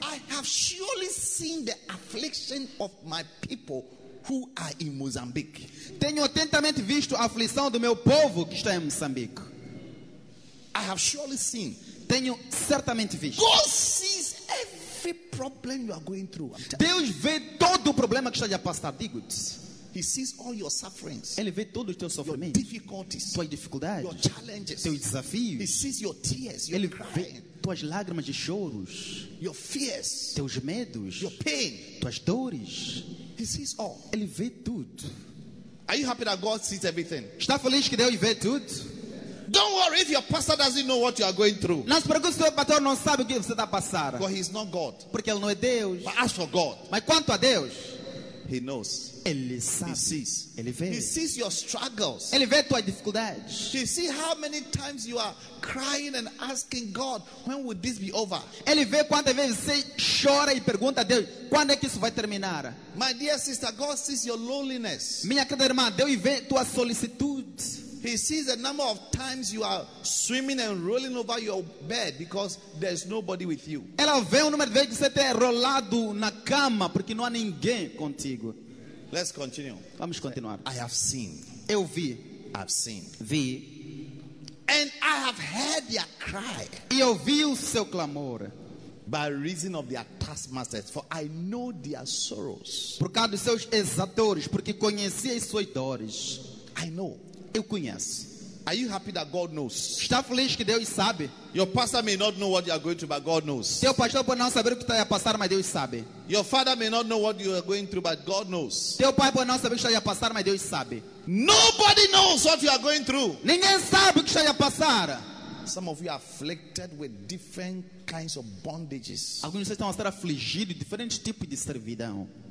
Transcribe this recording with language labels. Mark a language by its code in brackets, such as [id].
[en] I have surely seen the affliction of my people who are in Mozambique. [pt] Tenho atentamente visto a aflição do meu povo que está em Moçambique. [en] I have surely seen. [pt] Tenho certamente visto. [en] God sees every problem you are going through. [pt] Deus vê todo o problema que está a passar. Digo-te. [en] He sees all your sufferings. [pt] Ele vê todos os teus sofrimentos. [en] Your difficulties. [pt] Tuas dificuldades. [en] Your challenges. [pt] Teus desafios. [en] He sees your tears. [pt] Ele [en] your [pt] vê tuas lágrimas e choros. [en] Your fears. [pt] Teus medos. [en] Your pain. [pt] Tuas dores. [en] He sees all. [pt] Ele vê tudo. [en] Are you happy that God sees everything? [pt] Está feliz que Deus vê tudo? [en] Don't worry if your pastor doesn't know what you are going through. [pt] Não se preocupe se o pastor não sabe o que você está passando. [en] Because he is not God. [pt] Porque ele não é Deus. [en] But ask for God. [pt] Mas quanto a Deus? [en] He knows. [pt] Ele sabe. [en] He sees. [pt] Ele vê. [en] He sees your struggles. [pt] Ele vê tuas dificuldades. [en] He sees how many times you are crying and asking God, when will this be over? [pt] Ele vê quantas vezes você chora e pergunta a Deus, quando é que isso vai terminar? [en] My dear sister, God sees your loneliness. [pt] Minha querida irmã, Deus vê tua solicitude. [en] He sees the number of times you are swimming and rolling over your bed because there's nobody with you. [pt] Ela vê o número de vezes que você tem rolado na cama porque não há ninguém contigo. [en] Let's continue. [pt] Vamos continuar. [en] I have seen. [pt] Eu vi. [en] I've seen. [pt] Vi. [en] And I have heard their cry. [pt] E eu vi o seu clamor. [en] By reason of their taskmasters, for I know their sorrows. [pt] Por causa dos seus exatores, porque conheci as suas dores. [en] I know. [pt] Eu conheço. [en] Are you happy that God knows? [pt] Está feliz que Deus sabe? [en] Your pastor may not know what you are going through, but God knows. [pt] Seu pastor pode não saber o que está a passar, mas Deus sabe. [en] Your father may not know what you are going through, but God knows. [pt] Seu pai pode não saber o que está a passar, mas Deus sabe. [en] Nobody knows what you are going through. [pt] Ninguém sabe o que está a passar. [en] Some of you are afflicted with different kinds of bondages. [pt] Alguns de vocês estão a ser afligidos diferentes tipos de servidão.